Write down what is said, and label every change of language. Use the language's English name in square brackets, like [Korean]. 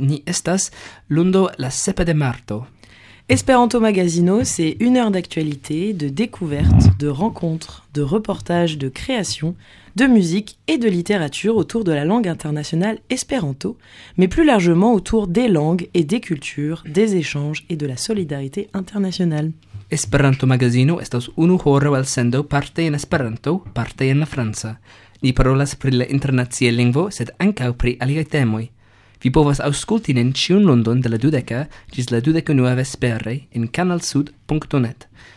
[Esperanto] Ni estas lundo la 7 de marto. [French] Espéranto Magazino, c'est une heure d'actualité, de découverte, de rencontres, de reportages, de création, de musique et de littérature autour de la langue internationale espéranto, mais plus largement autour des langues et des cultures, des échanges et de la solidarité internationale. [Esperanto] Esperanto Magazino estas unu horo al sendo parte en Esperanto, parte en la franca. Ni parolas pri la internacia lingvo, sed ankaŭ pri aliaj temoj. Vi povas aŭskulti nin ĉiun lundon de la 12 ĝis la 21 vespere en canalsud.net.